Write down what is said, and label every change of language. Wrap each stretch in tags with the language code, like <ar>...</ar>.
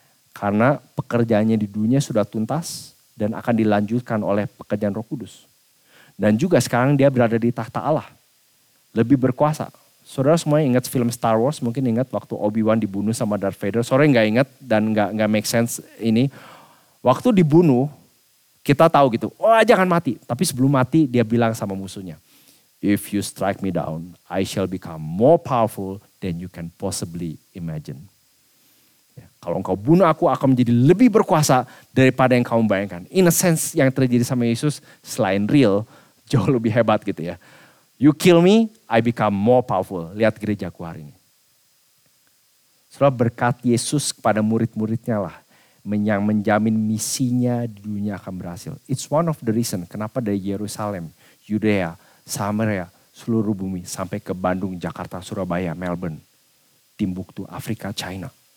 <id>Karena pekerjaannya di dunia sudah tuntas dan akan dilanjutkan oleh pekerjaan Roh Kudus. Dan juga sekarang dia berada di tahta Allah, lebih berkuasa. Saudara semuanya ingat film Star Wars, mungkin ingat waktu Obi-Wan dibunuh sama Darth Vader. Sorry gak ingat dan gak</id> <en>make sense</en> <id>ini. Waktu dibunuh, kita tahu gitu, oh jangan mati. Tapi sebelum mati dia bilang sama musuhnya,</id> <en>if you strike me down, I shall become more powerful than you can possibly imagine.</en> <id>Ya, kalau engkau bunuh aku akan menjadi lebih berkuasa daripada yang kamu bayangkan.</id> <en>In a sense</en> <id>yang terjadi sama Yesus, selain real, jauh lebih hebat gitu ya.</id> <en>You kill me, I become more powerful.</en> <id>Lihat gerejaku hari ini. Setelah berkat Yesus kepada murid-muridnya lah, yang menjamin misinya di dunia akan berhasil.</id> <en>It's one of the reason</en> <id>kenapa dari Yerusalem, Yudea, Samaria, seluruh bumi sampai ke Bandung, Jakarta, Surabaya, Melbourne, Timbuktu, Afrika, China.</id>